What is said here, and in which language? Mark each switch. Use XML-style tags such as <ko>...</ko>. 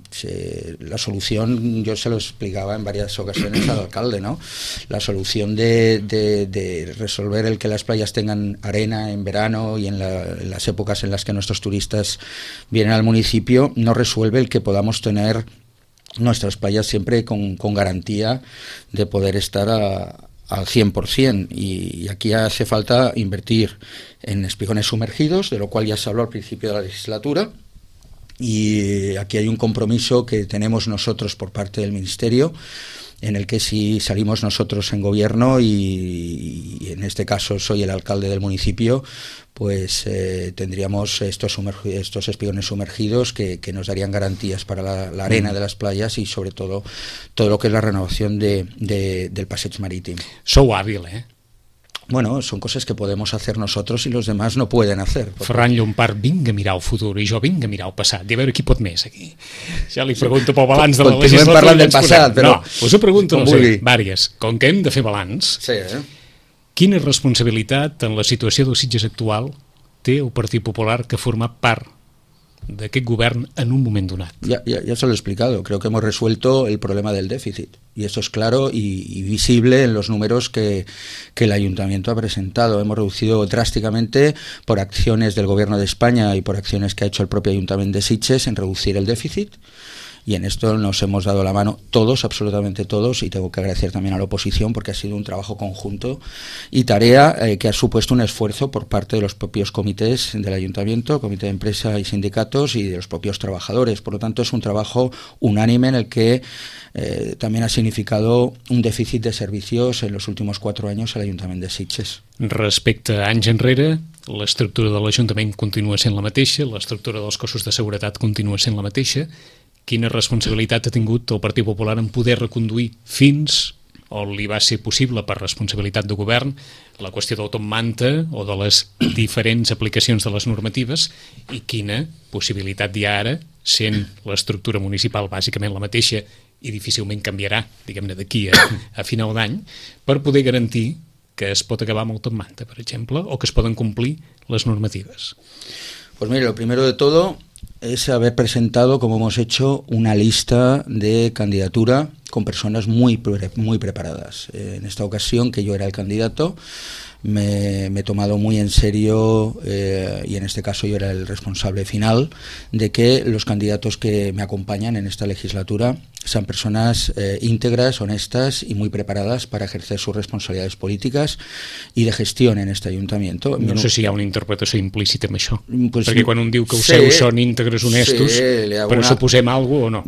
<ca>Si, la solució, jo se l'explicava en diverses ocasions a l'alcalde, no? La solució de resolver el que les platges tinguin arena en verano i en les èpoques en les que nostres turistes vienen al municipi,</ca> <es>no resuelve el que podamos</es> <ca>tenir</ca> <es>nuestras playas siempre con garantía de poder estar al 100%, y aquí hace falta invertir en espigones sumergidos, de lo cual ya se habló al principio de la legislatura, y aquí hay un compromiso que tenemos nosotros por parte del Ministerio, en el que si salimos nosotros en gobierno, y en este caso soy el alcalde del municipio, pues tendríamos estos espigones sumergidos que nos darían garantías para la arena de las playas y sobre todo todo lo que es la renovación del passeig marítim.</es> <ca>Sou hàbil, ¿eh?</ca> <es>Bueno, son cosas que podemos hacer nosotros y los demás no pueden hacer.</es> <ca>Ferran Llompart, vinga a mirar el futur, i jo vinga a mirar el passat, i a veure qui pot més aquí. Ja li pregunto pel balanç de la legislatura. Continuem parlant del passat, però... No, us ho pregunto, no sé, vàries. Com que hem de fer balanç, sí, eh? Quina responsabilitat en la situació dels Sitges actual té el Partit Popular que ha format part d'aquest govern en un moment donat?</ca> <es>Ya se lo he explicado, creo que hemos resuelto el problema del déficit, y eso es claro y visible en los números que el ayuntamiento ha presentado. Hemos reducido drásticamente, por acciones del gobierno de España y por acciones que ha hecho el propio ayuntamiento de Sitges, en reducir el déficit, y en esto nos hemos dado la mano todos, absolutamente todos, y tengo que agradecer también a la oposición, porque ha sido un trabajo conjunto y tarea que ha supuesto un esfuerzo por parte de los propios comités del ayuntamiento, comité de empresa y sindicatos, y de los propios trabajadores. Por lo tanto, es un trabajo unánime en el que también ha significado un déficit de servicios en los últimos 4 años el ayuntamiento de Sitges.</es> <ca>Respecte a anys enrere, l'estructura de l'Ajuntament continua sent la mateixa, l'estructura dels cossos de seguretat continua sent la mateixa. Quina responsabilitat ha tingut el Partit Popular en poder reconduir fins on li va ser possible per responsabilitat de govern la qüestió del Top Manta o de les diferents aplicacions de les normatives, i quina possibilitat hi ha ara, sent l'estructura municipal bàsicament la mateixa i difícilment canviarà, diguem-ne, d'aquí a final d'any, per poder garantir que es pot acabar amb el Top Manta, per exemple, o que es poden complir les normatives?</ca> <es>Pues mira, lo primero de todo es haber presentado, como hemos hecho, una lista de candidatura con personas muy, muy preparadas. En esta ocasión, que yo era el candidato, me he tomado muy en serio, y en este caso yo era el responsable final, de que los candidatos que me acompañan en esta legislatura sean personas íntegras, honestas y muy preparadas para ejercer sus responsabilidades políticas y de gestión en este ayuntamiento.</es> <ca>No sé si hi ha una interpretació implícita en això, pues, perquè quan un diu que els seus són íntegres, honestos, sí, però suposem algo o no?</ca>